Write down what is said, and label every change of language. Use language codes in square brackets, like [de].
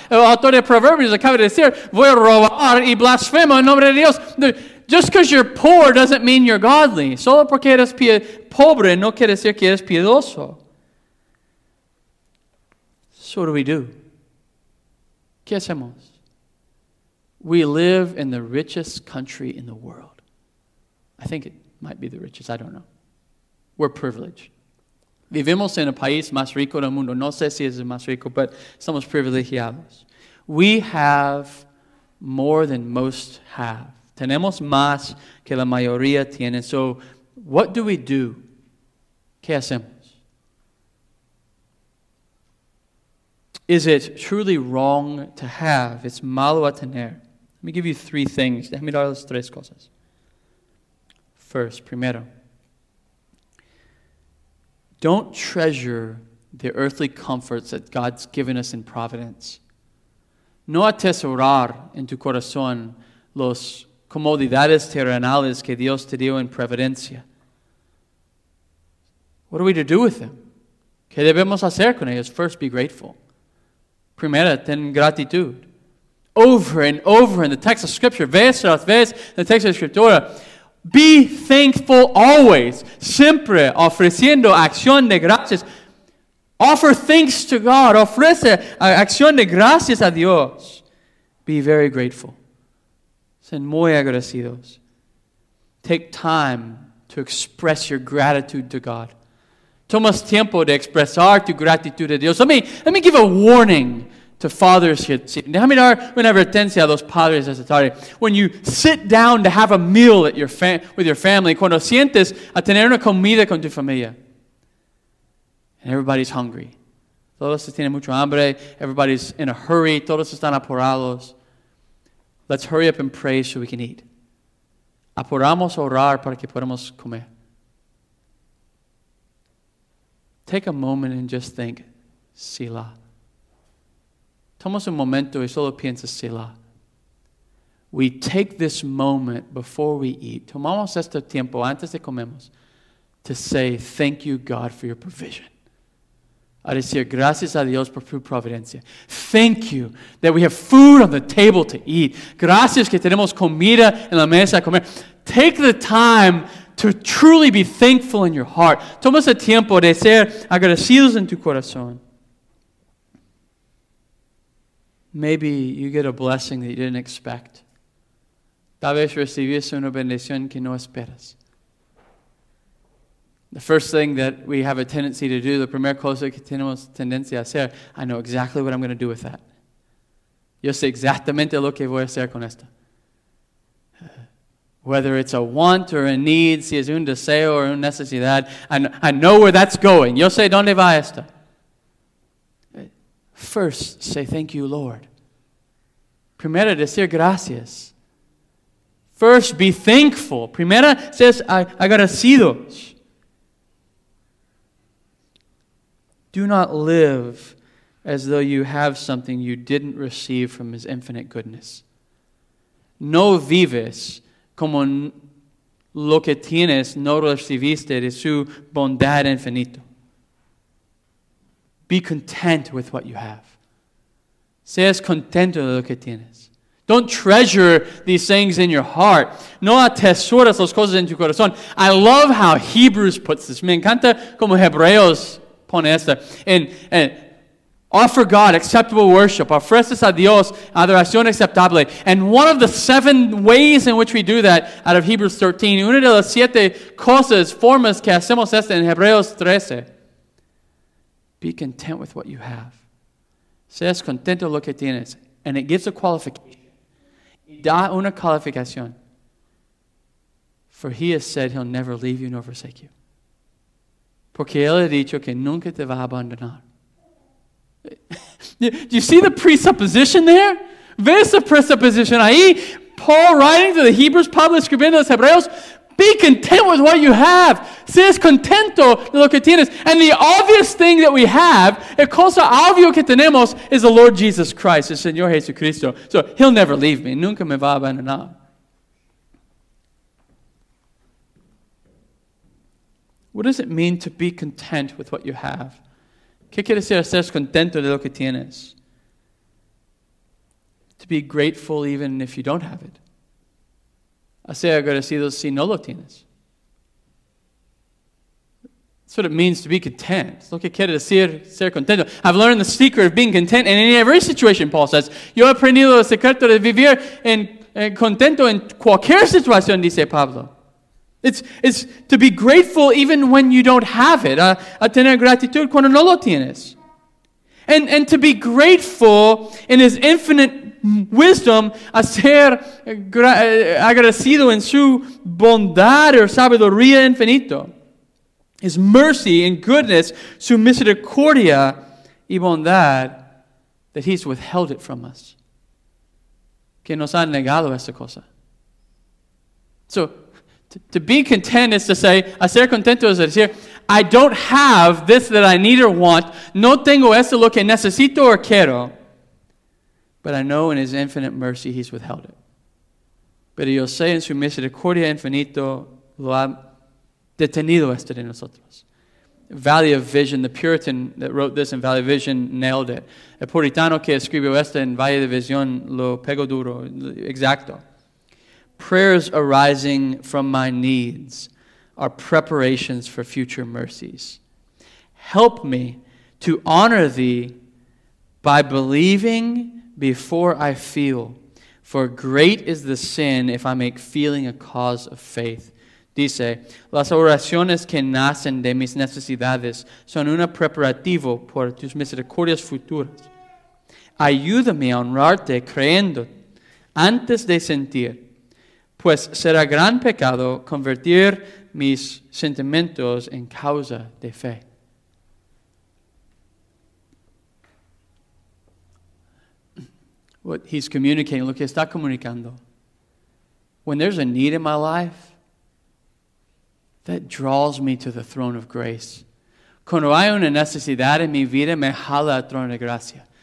[es] El autor de Proverbios acaba de decir, voy a robar y blasfemo en nombre de Dios. [en] Just because you're poor doesn't mean you're godly. [es] Solo porque eres pobre no quiere decir que eres piedoso. [en] So what do we do? [es] ¿Qué hacemos? [en] We live in the richest country in the world. I think it might be the richest, I don't know. We're privileged. [es] Vivimos en el país más rico del mundo. No sé si es el más rico, [en] but [es] somos privilegiados. [en] We have more than most have. [es] Tenemos más que la mayoría tiene. [en] So, what do we do? [es] ¿Qué hacemos? [en] Is it truly wrong to have? It's [es] malo a tener. [en] Let me give you three things. [es] Déjame darles tres cosas. [en] First, [es] primero. [en] Don't treasure the earthly comforts that God's given us in providence. [es] No atesorar en tu corazón los comodidades terrenales que Dios te dio en providencia. [en] What are we to do with them? [es] ¿Qué debemos hacer con ellos? [en] First, be grateful. [es] Primera, ten gratitud. [en] Over and over in the text of Scripture, [es] vez tras vez, [en] the text of Scriptura, be thankful always, [es] siempre ofreciendo acción de gracias. [en] Offer thanks to God, [es] ofrece acción de gracias a Dios. [en] Be very grateful. [es] Sean muy agradecidos. [en] Take time to express your gratitude to God. [es] Tomas tiempo de expresar tu gratitud a Dios. [en] Let me give a warning to fathers here. [es] Déjame dar una advertencia a los padres esta tarde. [en] When you sit down to have a meal at your with your family, [es] cuando sientes a tener una comida con tu familia, [en] and everybody's hungry. [es] Todos tienen mucho hambre. [en] Everybody's in a hurry. [es] Todos están apurados. [en] Let's hurry up and pray so we can eat. [es] Apuramos a orar para que podamos comer. [en] Take a moment and just think, Selah. [es] Tomas un momento y solo piensa, [en] Selah. We take this moment before we eat. [es] Tomamos este tiempo antes de comemos [en] to say, thank you, God, for your provision. [es] A decir, gracias a Dios por tu providencia. [en] Thank you that we have food on the table to eat. [es] Gracias que tenemos comida en la mesa a comer. [en] Take the time to truly be thankful in your heart. [es] Tomas el tiempo de ser agradecidos en tu corazón. [en] Maybe you get a blessing that you didn't expect. [es] Tal vez recibiste una bendición que no esperas. [en] The first thing that we have a tendency to do, the [es] primer cosa que tenemos tendencia a hacer, [en] I know exactly what I'm going to do with that. [es] Yo sé exactamente lo que voy a hacer con esto. [en] Whether it's a want or a need, [es] si es un deseo [en] or [es] una necesidad, [en] I know where that's going. [es] Yo sé dónde va esto. [en] First, say thank you, Lord. [es] Primera, decir gracias. [en] First, be thankful. [es] Primera, says agradecidos. [en] Do not live as though you have something you didn't receive from His infinite goodness. [es] No vives como lo que tienes no recibiste de su bondad infinito. [en] Be content with what you have. [es] Seas contento de lo que tienes. [en] Don't treasure these things in your heart. [es] No atesoras las cosas en tu corazón. [en] I love how Hebrews puts this. [es] Me encanta como Hebreos pone esto. [en] And offer God acceptable worship. [es] Ofreces a Dios adoración aceptable. [en] And one of the seven ways in which we do that out of Hebrews 13, [es] una de las siete cosas, formas que hacemos esto en Hebreos 13. [en] Be content with what you have. [es] Seas contento lo que tienes. [en] And it gives a qualification. [es] Da una calificación. [en] For He has said He'll never leave you nor forsake you. [es] Porque Él ha dicho que nunca te va a abandonar. [en] Do you see the presupposition there? [es] ¿Ves la presupposition ahí? [en] Paul writing to the Hebrews, [es] Pablo escribiendo a los Hebreos, [en] be content with what you have. [es] Seas contento de lo que tienes. [en] And the obvious thing that we have, [es] el cosa obvio que tenemos, [en] is the Lord Jesus Christ, [es] el Señor Jesucristo. [en] So He'll never leave me. [es] Nunca me va a abandonar. [en] What does it mean to be content with what you have? [es] ¿Qué quiere decir ser contento de lo que tienes? [en] To be grateful even if you don't have it. [es] Ser agradecido si no lo tienes. [en] That's what it means to be content. [es] Lo que quiere decir ser contento. [en] I've learned the secret of being content in every situation, Paul says. [es] Yo he aprendido el secreto de vivir en contento en cualquier situación, dice Pablo. [en] It's to be grateful even when you don't have it. [es] A tener gratitud cuando no lo tienes. [en] And to be grateful in His infinite wisdom, [es] a ser agradecido en su bondad o sabiduría infinito. [en] His mercy and goodness, [es] su misericordia y bondad, [en] that He's withheld it from us. [es] Que nos ha negado esa cosa. [en] So, To be content is to say, [es] a ser contento es decir, [en] I don't have this that I need or want. [es] No tengo eso lo que necesito o quiero. [en] But I know in his infinite mercy he's withheld it. [es] Pero yo sé en su misericordia infinito lo ha detenido esto de nosotros. [en] Valley of Vision, the Puritan that wrote this in Valley of Vision nailed it. [es] El puritano que escribió esto en Valle de Vision lo pegó duro, exacto. [en] Prayers arising from my needs are preparations for future mercies. Help me to honor thee by believing before I feel, for great is the sin if I make feeling a cause of faith. [es] Dice, las oraciones que nacen de mis necesidades son un preparativo por tus misericordias futuras. Ayúdame a honrarte creyendo antes de sentir, pues será gran pecado convertir mis sentimientos en causa de fe. [en] What he's communicating, [es] lo que está comunicando. [en] When there's a need in my life, that draws me to the throne of grace. [es] Cuando hay una necesidad en mi vida, me jala al trono de gracia.